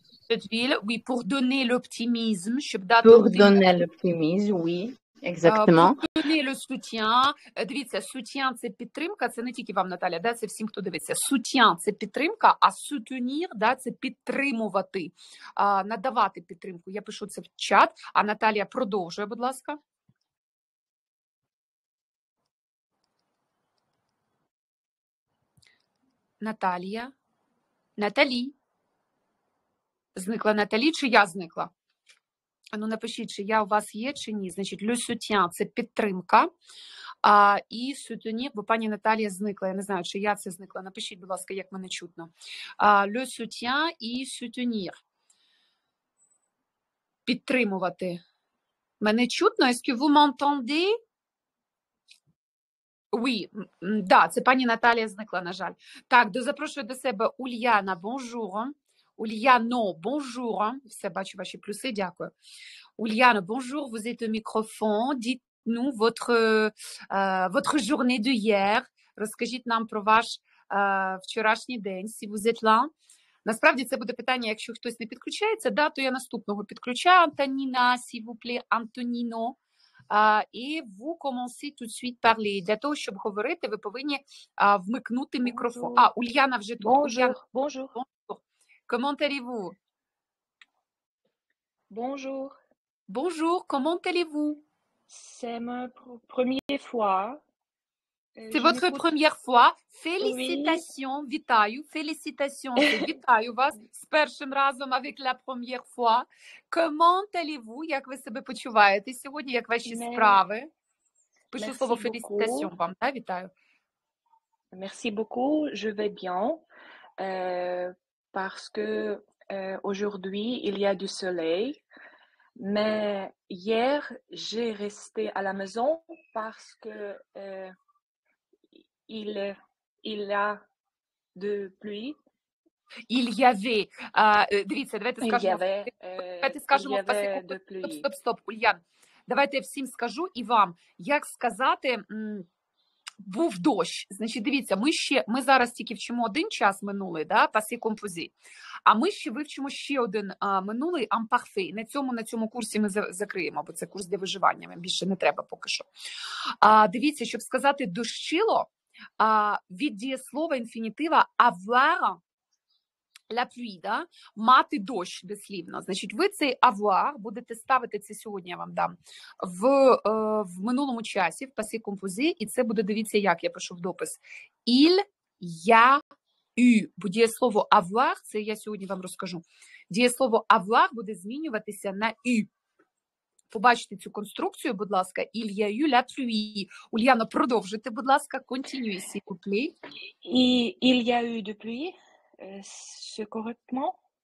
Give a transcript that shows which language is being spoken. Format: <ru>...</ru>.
<fr>Cette ville, oui, pour donner l'optimisme. Pour donner l'optimisme, oui. Exactement. Pour donner le soutien.</fr> <uk>Дивіться, soutien, це підтримка, це не тільки вам, Наталя, да, це всім, хто дивиться. Soutien, це підтримка, а soutenir, да, це підтримувати, надавати підтримку. Я пишу це в чат, а Наталя продовжує, будь ласка. Наталія. Наталі. Зникла Наталі чи я зникла? Ну, напишіть, чи я у вас є чи ні. Значить, le soutien це підтримка. І soutenir, бо пані Наталія зникла. Я не знаю, чи я це зникла. Напишіть, будь ласка, як мене чутно.</uk> <fr>Le soutien і soutenir.</fr> <uk>Підтримувати. Мене чутно?</uk> <fr>Est-ce que vous m'entendez?</fr> <uk>Oui, да, це пані Наталія зникла, на жаль. Так, запрошую до себе Ульяна, бонжур. Ульяно, бонжур. Все, бачу ваші плюси, дякую.</uk> <fr>Ульяна, бонжур, vous êtes au microphone. Dites-nous votre journée de hier.</fr> <uk>Розкажіть нам про ваш вчорашній день,</uk> <fr>si vous êtes là.</fr> <uk>Насправді, це буде питання, якщо хтось не підключається, да, то я наступного підключаю.</uk> <fr>Антоніна, s'il vous plaît, Антоніно.</fr> <uk>І ви</uk> <fr>commencez tout de suite parler.</fr> <uk>Для того, щоб говорити, ви повинні вмикнути мікрофон.</uk> <fr>Bonjour.</fr> <uk>А, Ульяна вже тут.</uk> <fr>Bonjour. Bonjour. Comment allez-vous? Bonjour. Bonjour, comment allez-vous? C'est ma première fois. C'est votre première fois. Félicitations, oui.</fr> <uk>Вітаю. Félicitations, вітаю вас з першим разом</uk> <fr>avec la première fois. Comment allez-vous?</fr> <uk>Як ви себе почуваєте сьогодні? Як ваші справи? Пишу</uk> <fr>Merci</fr> <uk>слово félicitations</uk> <fr>beaucoup.</fr> <uk>Вам, так, да? Вітаю.</uk> <fr>Merci beaucoup, je vais bien. Parce que aujourd'hui, il y a du soleil. Mais hier, j'ai resté à la maison parce que Il a de pluie. Il y avait.</fr> <uk>Дивіться, давайте скажемо. Стоп. Ульян, давайте всім скажу і вам, як сказати. Був дощ. Значить, дивіться, ми зараз тільки вчимо один час минулий, да, пасі композі. А ми ще вивчимо ще один минулий ампарфе. На цьому курсі ми закриємо, бо це курс для виживання. Ми більше не треба поки що. Дивіться, щоб сказати дощило, від дієслова інфінітива avoir la pluie, да? Мати дощ дослівно. Значить, ви цей avoir будете ставити, це сьогодні я вам дам, в минулому часі, в пасі композі, і це буде, дивіться, як я пишу в допис. Il, я, ю. Бо дієслово avoir, це я сьогодні вам розкажу, дієслово avoir буде змінюватися на ю. побачити цю конструкцію, будь ласка,</uk> <fr>il y a eu la pluie. Ульяна,</fr> <uk>продовжуйте, будь ласка,</uk> <fr>continue, s'il vous plaît. Il y a eu de pluie, c'est correctement?</fr>